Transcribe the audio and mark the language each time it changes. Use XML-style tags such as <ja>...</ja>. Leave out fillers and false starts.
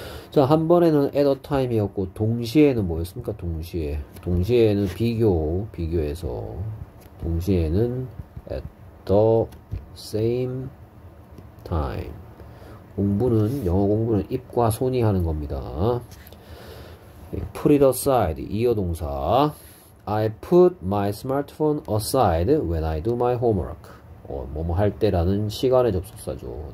<ko>자, 한 번에는</ko> <en>at a time</en> <ko>이었고, 동시에는 뭐였습니까? 동시에. 동시에는 비교, 비교해서. 동시에는</ko> <en>at the same time.</en> <ko>공부는, 영어 공부는 입과 손이 하는 겁니다.</ko> <en>Put it aside.</en> <ko>이어 동사.</ko> <en>I put my smartphone aside when I do my homework.</en> <ko>뭐뭐 할 때라는 시간의 접속사죠.</ko>